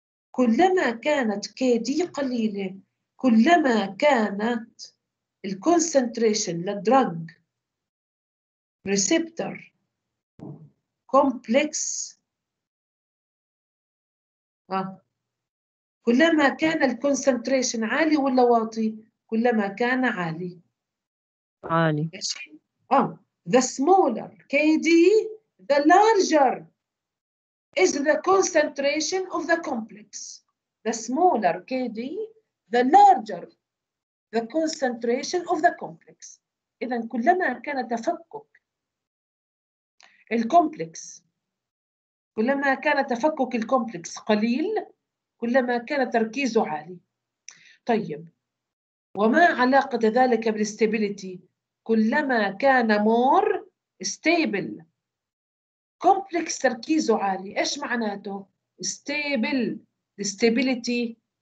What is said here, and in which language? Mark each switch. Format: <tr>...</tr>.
<ar>كلما كانت KD قليلة كلما كانت الconcentration للدراج receptor complex كلما كان الكونسنتريشن عالي ولا واطي؟ كلما كان عالي. عالي.</ar> <en>ماشي؟ The smaller KD, the larger is the concentration of the complex. The smaller KD, the larger the concentration of the complex.</en> <ar>إذا كلما كان تفكك الكومplex، كلما كان تفكك الكومplex قليل، كلما كان تركيزه عالي. طيب وما علاقة ذلك بالاستابيليتي؟ كلما كان مور ستيبل كومبلكس تركيزه عالي، ايش معناته؟ ستيبل الاستابيليتي</ar>